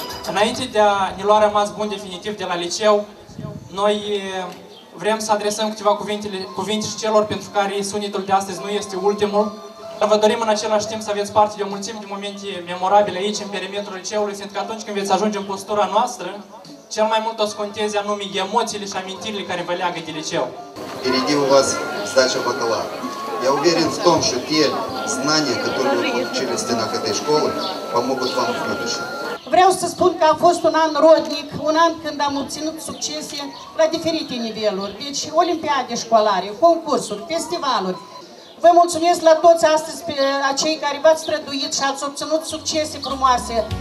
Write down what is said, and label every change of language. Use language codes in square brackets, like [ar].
[ro] Înainte de a ne lua rămas bun definitiv de la liceu, noi vrem să adresăm câteva cuvinte și celor pentru care sunetul de astăzi nu este ultimul. Vă dorim în același timp să aveți parte de o mulțime de momente memorabile aici, în perimetrul liceului, fiindcă atunci când veți ajunge în postura noastră, cel mai mult o să conteze anume emoțiile și amintirile care vă leagă de liceu. [ru] Впереди у вас задача батала. Я уверен в том, что те знания, которые вы получили в стенах этой школы, помогут вам в будущем. [ro] Vreau să spun că a fost un an rodnic, un an când am obținut succese la diferite niveluri, deci olimpiade școlare, concursuri, festivaluri. Vă mulțumesc la toți astăzi, pe cei care v-ați străduit și ați obținut succese frumoase.